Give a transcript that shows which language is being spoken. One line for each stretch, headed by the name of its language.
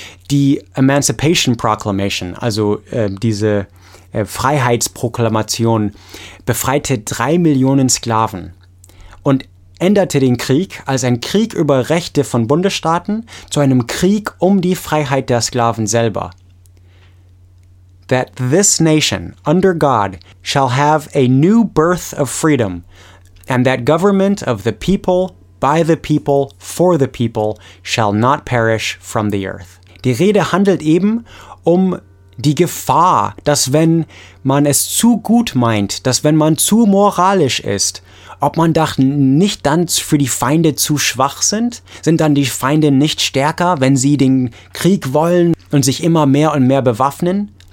German: Die Emancipation Proclamation, also diese Freiheitsproklamation, befreite 3 Millionen Sklaven und änderte den Krieg als ein Krieg über Rechte von Bundesstaaten zu einem Krieg um die Freiheit der Sklaven selber.
English: That this nation, under God, shall have a new birth of freedom, and that government of the people, by the people, for the people, shall not perish from the earth.
German: Die Rede handelt eben um die Gefahr, dass wenn man es zu gut meint, dass wenn man zu moralisch ist, ob man doch nicht dann für die Feinde zu schwach sind? Sind dann die Feinde nicht stärker, wenn sie den Krieg wollen und sich immer mehr und mehr bewaffnen?